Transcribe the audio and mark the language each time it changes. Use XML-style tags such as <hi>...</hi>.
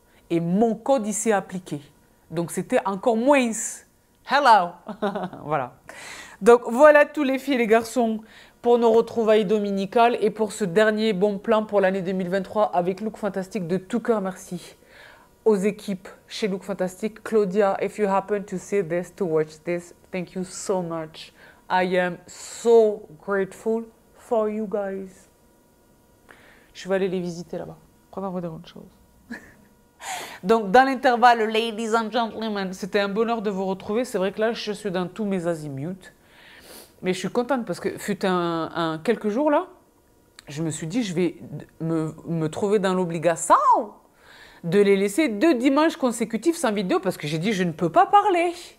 <fr>Et mon code, il s'est appliqué. Donc, c'était encore moins. Hello! Voilà. Donc voilà tous les filles et les garçons pour nos retrouvailles dominicales et pour ce dernier bon plan pour l'année 2023 avec Look Fantastic. De tout cœur, merci aux équipes chez Look Fantastic.</fr> <en>Claudia, if you happen to see this, to watch this, thank you so much. I am so grateful for you guys.</en> <fr>Je vais aller les visiter là-bas. Prenez-vous des bonnes choses. Donc, dans l'intervalle,</fr> <en>ladies and gentlemen,</en> <fr>c'était un bonheur de vous retrouver. C'est vrai que là, je suis dans tous mes azimuts. Mais je suis contente parce que fut un quelques jours là, je me suis dit, je vais me trouver dans l'obligation de les laisser 2 dimanches consécutifs sans vidéo parce que j'ai dit, je ne peux pas parler.</fr>